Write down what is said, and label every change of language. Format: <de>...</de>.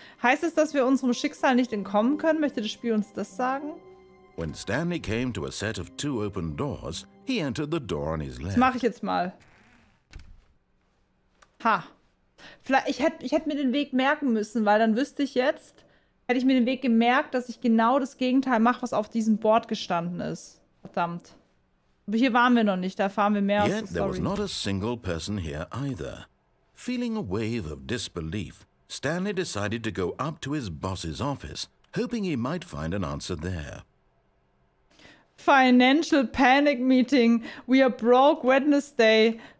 <de>Heißt es, dass wir unserem Schicksal nicht entkommen können? Möchte das Spiel uns das sagen?</de> <en>When Stanley came to a set of two open doors, he entered the door on his left.</en> <de>Das mach ich jetzt mal. Ha. Vielleicht, ich hätte mir den Weg merken müssen, weil dann wüsste ich jetzt, hätte ich mir den Weg gemerkt, dass ich genau das Gegenteil mache, was auf diesem Board gestanden ist. Verdammt. Aber hier waren wir noch nicht, da erfahren wir mehr aus der Story.</de> <en>Yet there was not a single person here either. Feeling a wave of disbelief, Stanley decided to go up to his boss's office, hoping he might find an answer there. Financial panic meeting. We are broke Wednesday.</en>